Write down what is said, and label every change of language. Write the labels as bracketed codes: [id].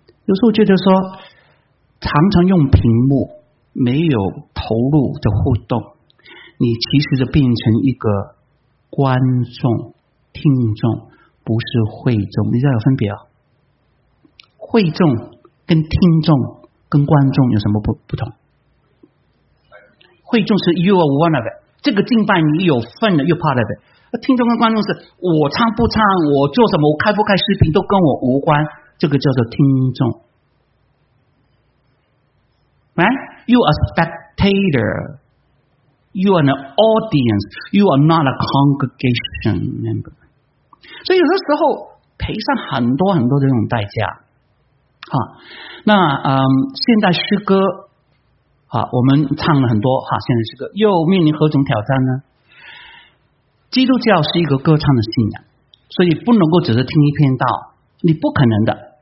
[zh] 有时候觉得说，常常用屏幕，没有投入的互动，你其实就变成一个观众、听众，不是会众。你知道有分别哦？会众跟听众跟观众有什么不同？会众是 [en] you are one of it， [zh] 这个敬拜你有份的，有 [en] part of it。 [zh] 听众跟观众是我唱不唱，我做什么，我开不开视频都跟我无关。这个叫做听众 ，right? [en] You are a spectator. You are an audience. You are not a congregation member. [zh] 所以有的时候赔上很多很多的这种代价。哈，那现代诗歌，哈，我们唱了很多哈，现代诗歌又面临何种挑战呢？基督教是一个歌唱的信仰，所以不能够只是听一篇道，你不可能的。